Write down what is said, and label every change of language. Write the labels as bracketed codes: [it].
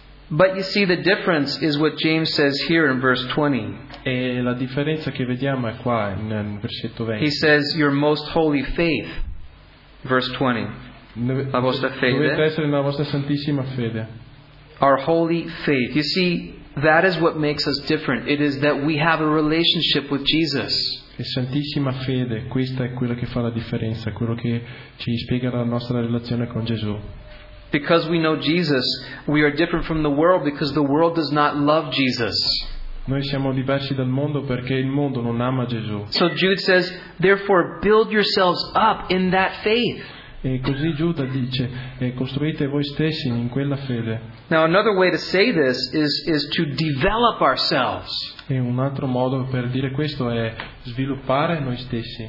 [en] But you see, the difference is what James says here in verse 20. [it] E la differenza che vediamo è qua nel versetto 20. [en] He says, "Your most holy faith." Verse 20. [it] La vostra fede. Dovete essere nella vostra santissima fede. [en] Our holy faith. You see, that is what makes us different. It is that we have a relationship with Jesus. [it] E santissima fede, questa è quello che fa la differenza, quello che ci spiega la nostra relazione con Gesù. [en] Because we know Jesus, we are different from the world because the world does not love Jesus. [it] Noi siamo diversi dal mondo perché il mondo non ama Gesù. [en] So Jude says, therefore build yourselves up in that faith. [it] E così Giuda dice, costruite voi stessi in quella fede. [en] Now another way to say this is to develop ourselves. [it] E un altro modo per dire questo è sviluppare noi stessi.